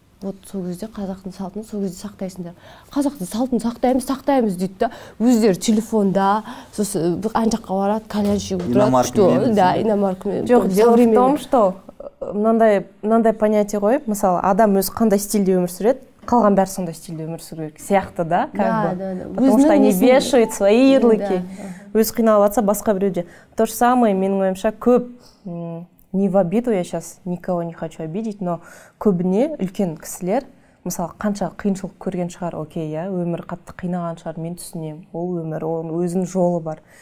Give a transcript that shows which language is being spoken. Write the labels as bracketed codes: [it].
[kk] Вот сол кезде қазақтың салтын, сол кезде сақтайсыңдар. Қазақтың салтын сақтаймыз, сақтаймыз дейді да, өздері телефонда, сосын ана жаққа барады, кальян шегіп тұрады. Иномаркамен. Жоқ, [ru] дело в том, что [kk] мынандай понятие ғой, мысалы, адам өзі қандай стильде өмір сүреді. Қалған бәрі сондай стильде өмір сүру керек сияқты да, [ru] как бы. Потому что они вешают свои ярлыки. [kk] Өзі қиналып жатса басқа біреуде. [ru] То же самое, [kk] менің ойымша, көп [ru] не в обиду, я сейчас никого не хочу обидеть, но [kk] көбіне үлкен кісілер, мысалы, қанша қиыншылық көрген шығар, окей, иә, өмір қатты қинаған шығар, мен түсінемін. Ол өмір, оның өзінің жолы бар.